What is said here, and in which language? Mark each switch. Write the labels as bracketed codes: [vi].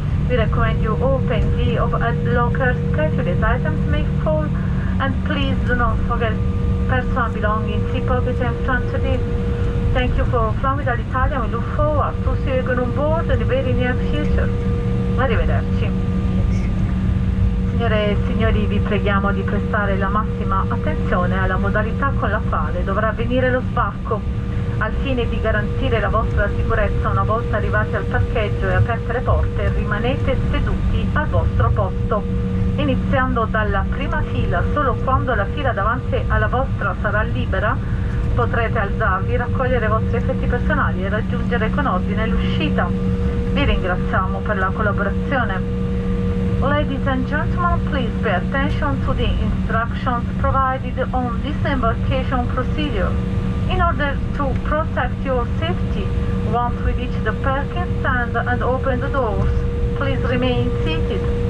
[en] We recommend you open the locker schedule as items may fall, and please do not forget personal belongings in pocket in front of you. Thank you for flying with Alitalia. We look forward to seeing you on board in the very near future. [it] Arrivederci. Signore e signori, vi preghiamo di prestare la massima attenzione alla modalità con la quale dovrà avvenire lo sbarco. Al fine di garantire la vostra sicurezza, una volta arrivati al parcheggio e aperte le porte, rimanete seduti al vostro posto, iniziando dalla prima fila. Solo quando la fila davanti alla vostra sarà libera, potrete alzarvi, raccogliere i vostri effetti personali e raggiungere con ordine l'uscita. Vi ringraziamo per la collaborazione. [en] Ladies and gentlemen, please pay attention to the instructions provided on disembarkation procedure. In order to protect your safety, once we reach the parking stand and open the doors, please remain seated.